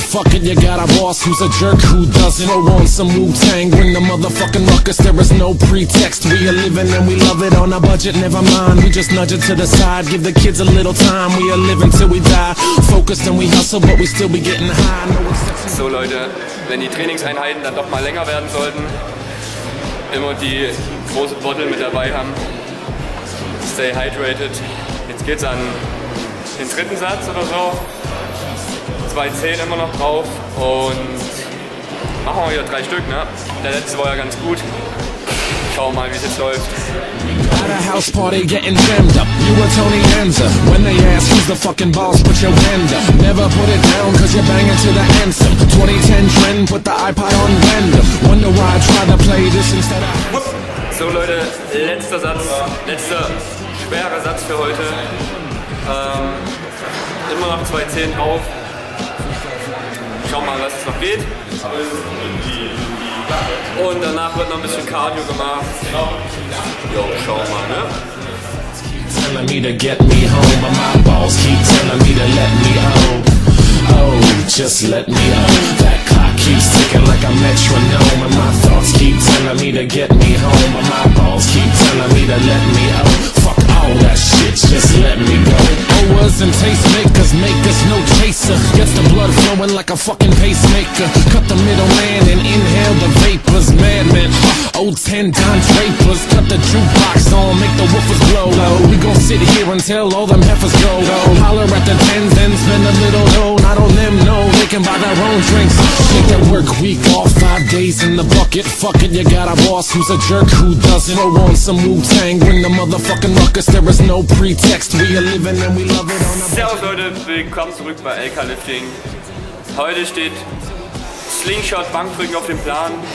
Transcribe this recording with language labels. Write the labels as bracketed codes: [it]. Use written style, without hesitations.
[en] Fuck it, you got a boss who's a jerk who doesn't. Or on some Wu-Tang, bring the motherfucking ruckus. There is no pretext, we are living and we love it on a budget. Never mind, we just nudge it to the side. Give the kids a little time, we are living till we die. Focused and we hustle, but we still be getting high. No exceptions. [de] So Leute, wenn die Trainingseinheiten dann doch mal länger werden sollten, immer die große Bottle mit dabei haben. [en] Stay hydrated. [de] Jetzt geht's an den dritten Satz oder so. 2 Zehen immer noch drauf und machen wir wieder 3 Stück, ne? Der letzte war ja ganz gut. Schauen wir mal, wie es jetzt läuft. [en] At a house party getting jammed up, you a Tony Danza. When they ask who's the fucking boss, put your hand up. Never put it down cause you're banging to the handsome. 2010 trend, put the iPod on random. Wonder why I try to play this instead of... [de] So Leute, letzter Satz, letzter schwerer Satz für heute. Immer noch 2 Zehen auf. Schau mal, was es noch geht. Und danach wird noch ein bisschen Cardio gemacht. Jo, schau mal, ne? [en] Telling me to get me home, but my balls keep telling me to let me out. Oh, just let me out. That clock keeps ticking like a metronome, and my thoughts keep telling me to get me home, but my balls keep telling me to let me out. Fuck all that shit, just let me go. Oh, wasn't tastemakers, make this no chaser. Gets the blood flowing like a fucking pacemaker. Cut the middleman and inhale the vapors. Madman, old 10 times vapors. Cut the jukebox on, make the woofers blow. We gon' sit here until all them heifers go. Holler at the tens and spend a little dough. Not on them, no, they can buy their own drinks. Take that work week off, 5 days in the bucket. Fuck it, you got a boss who's a jerk who doesn't. Or want some Wu-Tang, bring the motherfucking ruckus. There is no pretext, we are living and we love it on a... [de] Servus Leute, willkommen zurück bei LK Lifting. Heute steht Slingshot Bankdrücken auf dem Plan.